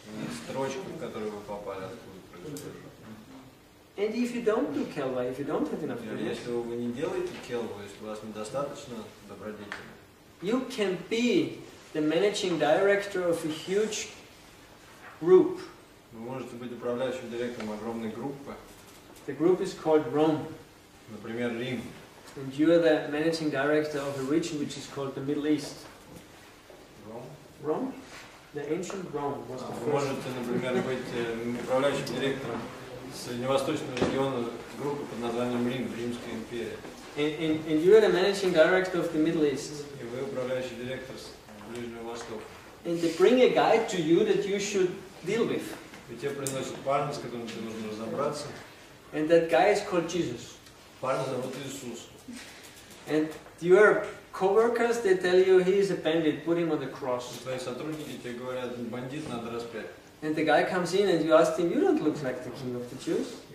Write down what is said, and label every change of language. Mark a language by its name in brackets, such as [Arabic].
[Russian] И строчку, в которую вы попали, откуда происходит. [English] And if you don't do kelva, if you don't have enough goodness, [Russian] если вы не делаете kelva, если у вас недостаточно добродетели, [English] you can be the managing director of a huge group. [Russian] Вы можете быть управляющим директором огромной группы. [English] The group is called Rome. [Russian] Например, Рим. [English] And you are the managing director of a region which is called the Middle East. Rome? The ancient Rome was the first. [Russian] Вы можете, например, быть управляющим директором Средневосточного региона группы под названием Рим, Римская империя. [English] And you are the managing director of the Middle East. [Russian] И вы управляющий директор Ближнего Востока. [English] And they bring a guy to you that you should deal with. [Russian] И тебе приносят парня, с которым тебе нужно разобраться. [English] And that guy is called Jesus. [Russian] Парня зовут Иисус. [English] And your co-workers, they tell you he is a bandit, put him on the cross. [Russian] Твои сотрудники тебе говорят, бандит, надо распять. [English] And the guy comes in and you ask him, you don't look like the king of the Jews.